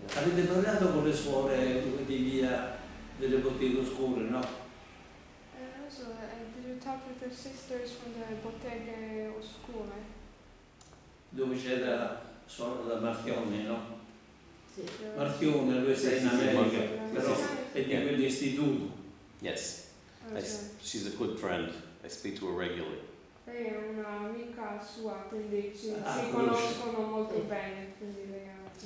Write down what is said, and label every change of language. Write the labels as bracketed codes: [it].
[it] Avete parlato con le suore di via delle Botteghe Oscure, no? [en] So, did you talk with the sisters from the Botteghe Oscure? [it] Dove c'era suora da Marchione, no? Sì. Marchione, lui sta in America, però è di quell'istituto. [en] Yes. She's a good friend. I speak to her regularly. Okay. [it] è un'amica sua, quindi si conoscono molto bene, quindi lei ha...